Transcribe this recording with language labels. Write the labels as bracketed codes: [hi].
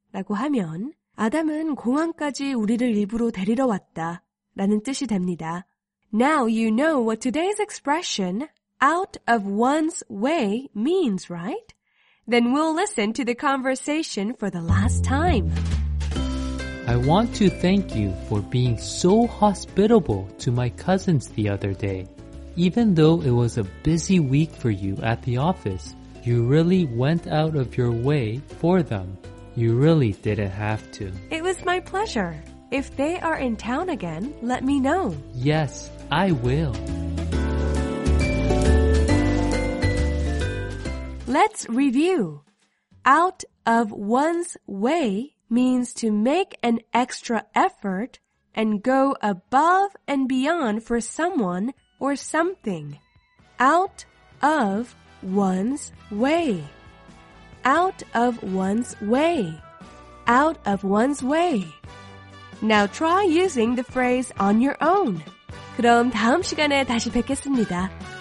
[ko] 라고 하면 아담은 공항까지 우리를 일부러 데리러 왔다 라는 뜻이 됩니다. [en] Now you know what today's expression out of one's way means, right? Then we'll listen to the conversation for the last time. I want to thank you for being so hospitable to my cousins the other day. Even though it was a busy week for you at the office, you really went out of your way for them. You really didn't have to. It was my pleasure. If they are in town again, let me know. Yes, I will. Let's review. Out of one's way means to make an extra effort and go above and beyond for someone or something. Out of one's way. Out of one's way. Out of one's way. Now try using the phrase on your own. [ko] 그럼 다음 시간에 다시 뵙겠습니다.